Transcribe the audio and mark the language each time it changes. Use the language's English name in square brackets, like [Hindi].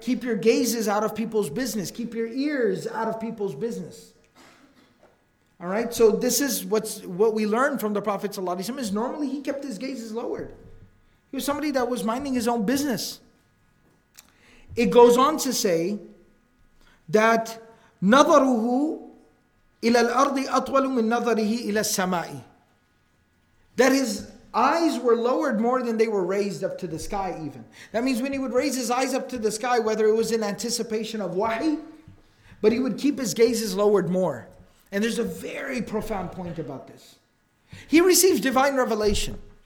[English] Keep your gazes out of people's business. Keep your ears out of people's business. Alright? So this is what we learn from the Prophet ﷺ, is normally he kept his gazes lowered. He was somebody that was minding his own business. It goes on to say that [Arabic] نظره إلى الأرض أطول من نظره إلى السماء. [English] That his eyes were lowered more than they were raised up to the sky even. That means when he would raise his eyes up to the sky, whether it was in anticipation of wahi, but he would keep his gazes lowered more. And there's a very profound point about this. He receives divine revelation.